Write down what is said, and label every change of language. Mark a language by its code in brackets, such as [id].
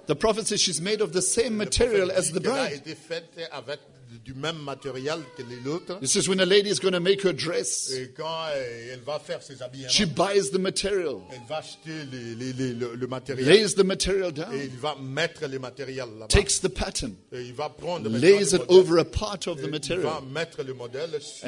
[en] The prophet says she's made of the same material as the bride. [fr] Elle a été faite avec du même matériel que les autres. [en] This is when a lady is going to make her dress. [fr] Et quand elle va faire ses habits. [en] She buys the material. [fr] Elle va acheter le matériel. [en] Lays the material down. [fr] Et il va mettre le matériel là-bas. [en] Takes the pattern. [fr] Et il va prendre [en] lays [fr] le [en] it over a part of the material. [fr] Il va mettre le modèle sur